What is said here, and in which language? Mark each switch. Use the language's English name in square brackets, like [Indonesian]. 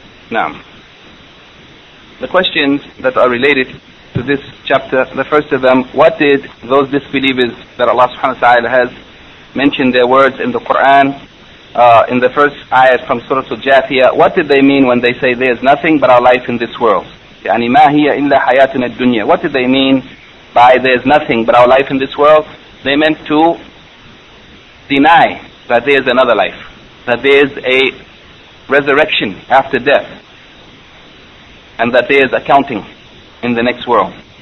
[English] Naam. The questions that are related to this chapter, the first of them, what did those disbelievers that Allah subhanahu wa ta'ala has mentioned their words in the Quran, in the first ayah from Surah Al-Jathiyah, what did they mean when they say there is nothing but our life in this world? [Arabic] يعني ما هي إلا حياتنا الدنيا. [English] What did they mean by there is nothing but our life in this world? They meant to deny that there is another life, that there is a resurrection after death, and that there is accounting in the next world.